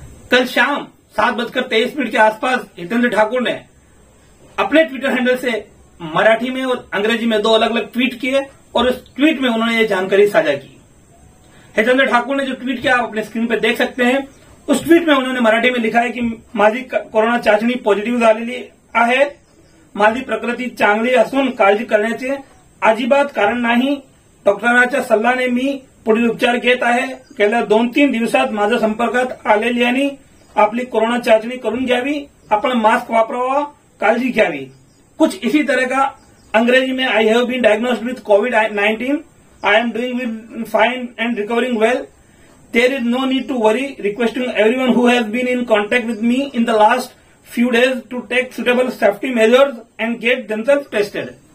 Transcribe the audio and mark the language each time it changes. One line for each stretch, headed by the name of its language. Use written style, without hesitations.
Hindi: कल शाम 7:23 के आसपास हितेंद्र ठाकुर ने अपने ट्विटर हैंडल से मराठी में और अंग्रेजी में दो अलग अलग ट्वीट किए और उस ट्वीट में उन्होंने ये जानकारी साझा की। हितेंद्र ठाकुर ने जो ट्वीट किया आप अपने स्क्रीन पर देख सकते हैं। उस ट्वीट में उन्होंने मराठी में लिखा है कि
Marathi: माझी कोरोना चाचणी पॉजिटिव झालेली आहे, माझी प्रकृती चांगली असून काळजी करण्याचे अजिबात कारण नाही, डॉक्टरांच्या सल्ल्याने मी पुढील उपचार घेत आहे, गेल्या 2-3 दिवसात माझ्या संपर्कात आलेल्यांनी आपली कोरोना चाचणी करून घ्यावी, आपण मास्क वापरावा, काळजी घ्यावी।
Hindi: कुछ इसी तरह का अंग्रेजी में
English: I have been diagnosed with covid, I am doing fine and recovering well, there is no need to worry, requesting every one who has been in contact with me in the last few days to take suitable safety measures and gate themselves tested.